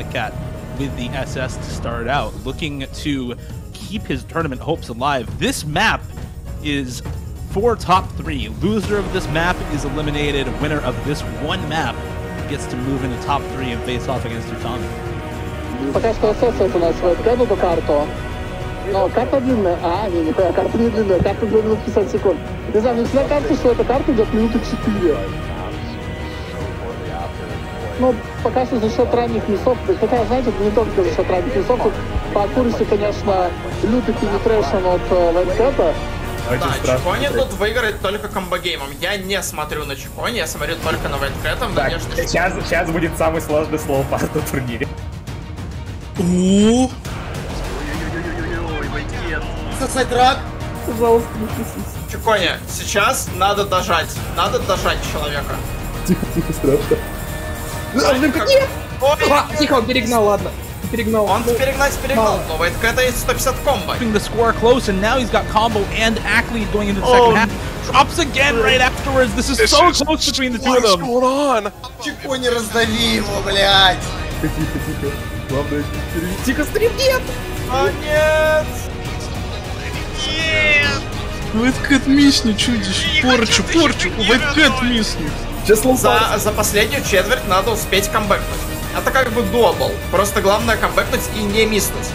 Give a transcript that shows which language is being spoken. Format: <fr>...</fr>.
<en>WhiteCat with the SS to start out, looking to keep his tournament hopes alive. This map is four top three. Loser of this map is eliminated. Winner of this one map gets to move into top three and face off against Utami.</en> <ru>Пока что SS у нас первую карту. Но карта длинная, а, не, нихуя, карта не длинная, карта длинная 50 секунд. Не знаю, мне всегда кажется, что эта карта идет минуты 4. Ну, пока что за счет ранних миссов, хотя, знаете, не только за счет ранних миссов, тут по курсу, конечно, лютый пенетрэшн от WhiteCat'а. Да, Чикони тут выиграет только комбо-геймом. Я не смотрю на Чикони, я смотрю только на WhiteCat'а. Так, сейчас будет самый сложный слоупарт в турнире. Ууу! Пожалуйста, Чикони, сейчас надо дожать. Надо дожать человека. Тихо, тихо, страшно. Тихо, перегнал, ладно. Перегнал. Он перегнал. Но WhiteCat'а есть 150 комбо.</ru> <en>Keeping the score close, and now he's got combo and Ackley going into the second half. Drops again right afterwards. This is so close between the two of them. What's going on?</en> <ru>Чикони, раздави его, блядь. Тихо, стрим, нет! О, нет! WhiteCat мисни, чудище, порчу, порчу, WhiteCat мисни. За последнюю четверть надо успеть камбэкнуть. Это как бы дуабл, просто главное камбэкнуть и не миснуть.</ru>